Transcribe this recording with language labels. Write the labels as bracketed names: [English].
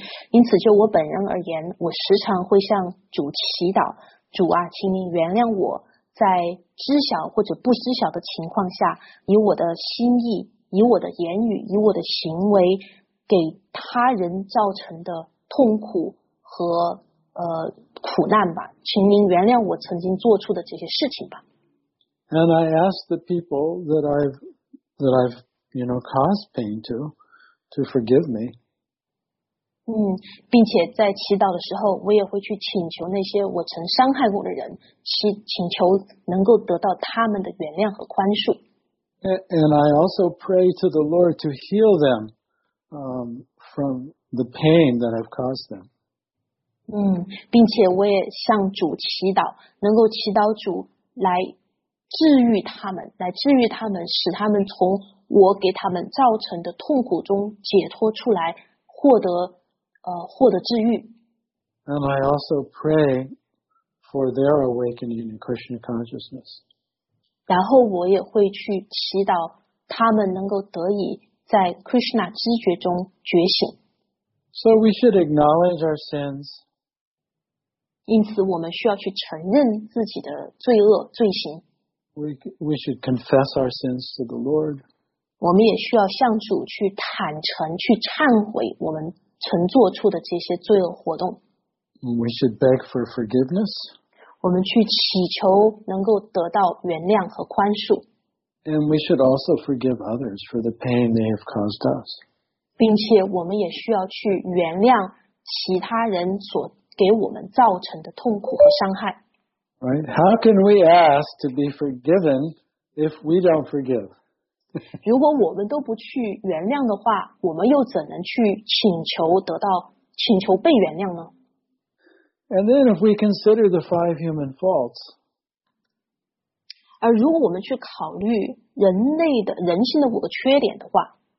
[Chinese] 因此就我本人而言，我时常会向主祈祷，主啊，请你原谅我在知晓或者不知晓的情况下，以我的心意，以我的言语，以我的行为，给他人造成的痛苦和苦难吧，请您原谅我曾经做出的这些事情吧。 [English] And I ask the people that I've you know caused pain to forgive me. [Chinese] 并且在祈祷的时候，我也会去请求那些我曾伤害过的人，请求能够得到他们的原谅和宽恕。 [English] And I also pray to the Lord to heal them, from the pain that I've caused them. [Chinese] 并且我也向主祈祷，能够祈祷主来治愈他们，来治愈他们，使他们从我给他们造成的痛苦中解脱出来，获得治愈。 [English] And I also pray for their awakening in Krishna consciousness. [Chinese] 然后我也会去祈祷他们能够得以在 Krishna 知觉中觉醒。 [English] So we should acknowledge our sins. [Chinese] 因此我们需要去承认自己的罪恶罪行。 [English] We should confess our sins to the Lord. [Chinese] 我们也需要向主去坦诚，去忏悔我们曾做出的这些罪恶活动。 [English] We should beg for forgiveness. [Chinese] 我们去祈求能够得到原谅和宽恕。 [English] And we should also forgive others for the pain they have caused us. [Chinese] 并且我们也需要去原谅其他人所给我们造成的痛苦和伤害。 [English] Right? How can we ask to be forgiven if we don't forgive? [Chinese] 如果我们都不去原谅的话，我们又怎能去请求被原谅呢？ [English] And then if we consider the five human faults, [Chinese] 而如果我们去考虑人性的五个缺点的话，